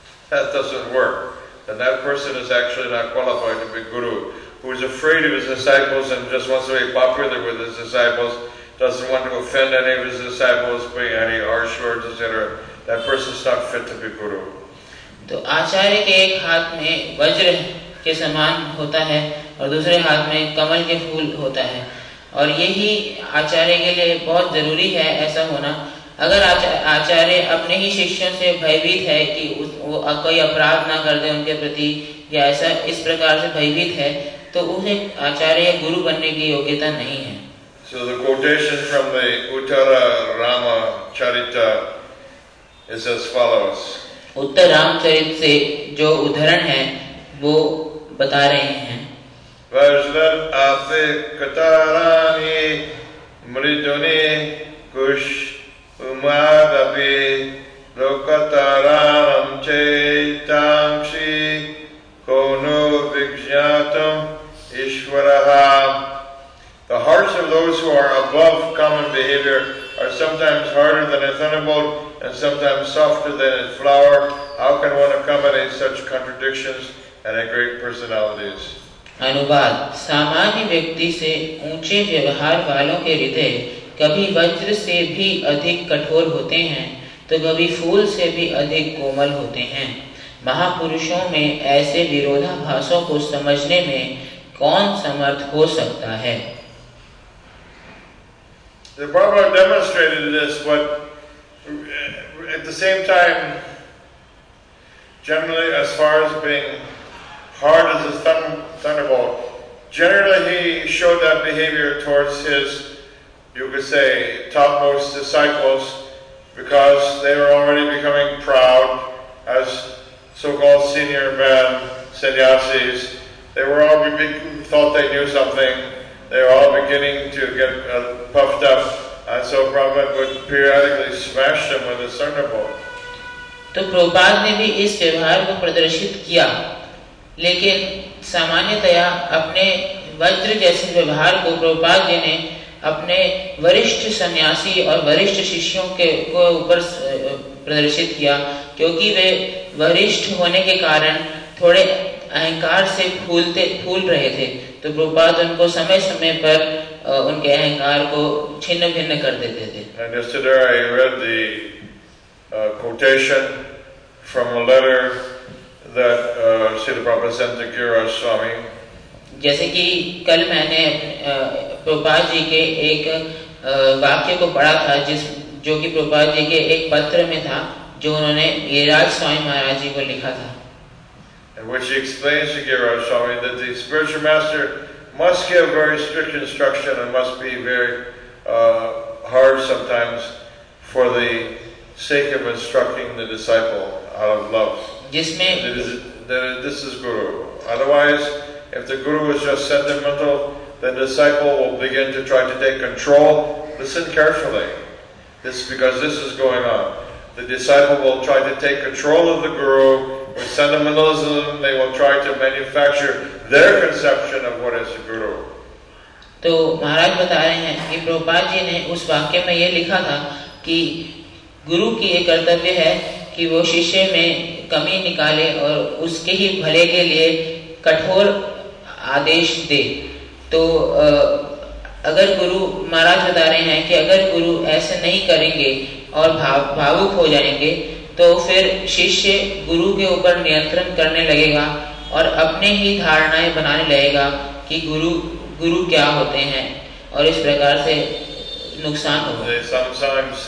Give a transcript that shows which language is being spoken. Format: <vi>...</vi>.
<en>That doesn't work. And that person is actually not qualified to be guru. Who is afraid of his disciples and just wants to be popular with his disciples, doesn't want to offend any of his disciples, bring any harsh words, etc. That person is not fit to be guru.</en> <hi>तो आचार्य के एक हाथ में वज्र के समान होता है और दूसरे हाथ में कमल के फूल होता है, और यही आचार्य के लिए बहुत जरूरी है ऐसा होना। अगर आचार्य अपने ही शिष्यों से भयभीत है कि वो कोई अपराध ना कर दे उनके प्रति, या ऐसा इस प्रकार से भयभीत है, तो उसे आचार्य गुरु बनने की योग्यता नहीं है।</hi> <en>So the quotation from the Uttara Rama Charita is as follows.</en> <hi>उत्तर रामचरित से जो उदाहरण है वो बता रहे हैं।</hi> <sa>वज्र आते कतारानि मृदुनि कुश उमादपि लोकतारानं चैतांशि कोनो विज्ञातम् ईश्वरः।</sa> <en>The hearts of those who are above common behavior are sometimes harder than a thunderbolt and sometimes softer than a flower. How can one accommodate such contradictions and a great personalities?</en> <hi>अनुवाद: सामान्य व्यक्ति से ऊंचे व्यवहार वालों के हृदय कभी वज्र से भी अधिक कठोर होते हैं तो कभी फूल से भी अधिक कोमल होते हैं। महापुरुषों में ऐसे विरोधाभासों को समझने में कौन समर्थ हो सकता है?</hi> <en>The Prabhupada demonstrated this, but at the same time, generally, as far as being hard as a thunderbolt, generally he showed that behavior towards his, you could say, topmost disciples, because they were already becoming proud as so-called senior men, sannyasis. They were all thought they knew something. They were all beginning to get puffed up. And so Prabhupada would periodically smash them with a thunderbolt.</en> <hi>तो प्रभुपाद ने भी इस व्यवहार को प्रदर्शित किया, लेकिन सामान्यतया अपने वज्र जैसे व्यवहार को प्रभुपाद जी ने अपने वरिष्ठ सन्यासी और वरिष्ठ शिष्यों के ऊपर प्रदर्शित किया, क्योंकि वे वरिष्ठ होने के कारण थोड़े अहंकार से फूलते फूल रहे थे, तो प्रभुपाद उनको समय समय पर उनके अहंकार को छिन्न भिन्न कर देते थे.</hi> <en>And yesterday I read the quotation from a letter that Srila Prabhupada sent to Kira Swami.</en> <hi>जैसे कि कल मैंने प्रभुपाद जी के एक वाक्य को पढ़ा था, जिस जो कि प्रभुपाद जी के एक पत्र में था जो उन्होंने गिरिराज स्वामी महाराज जी को लिखा था.</hi> <en>And which explains to Kira Swami that the spiritual master must give very strict instruction and must be very hard sometimes for the sake of instructing the disciple out of love.</en> <hi>जिसमें</hi> <en>that this is guru. Otherwise, if the guru is just sentimental, then the disciple will begin to try to take control. Listen carefully. This because this is going on. The disciple will try to take control of the guru with sentimentalism. They will try to manufacture their conception of what is a guru.</en> <hi>तो महाराज बता रहे हैं कि प्रभुपाद जी ने उस वाक्य में यह लिखा था कि गुरु की एक कर्तव्य है कि वो शिष्य में कमी निकाले और उसके ही भले के लिए कठोर आदेश दे. तो अगर गुरु, महाराज बता रहे हैं कि अगर गुरु ऐसे नहीं करेंगे और भावुक हो जाएंगे तो फिर शिष्य गुरु के ऊपर नियंत्रण करने लगेगा और अपने ही धारणाएं बनाने लगेगा कि गुरु गुरु क्या होते हैं, और इस प्रकार से नुकसान</hi>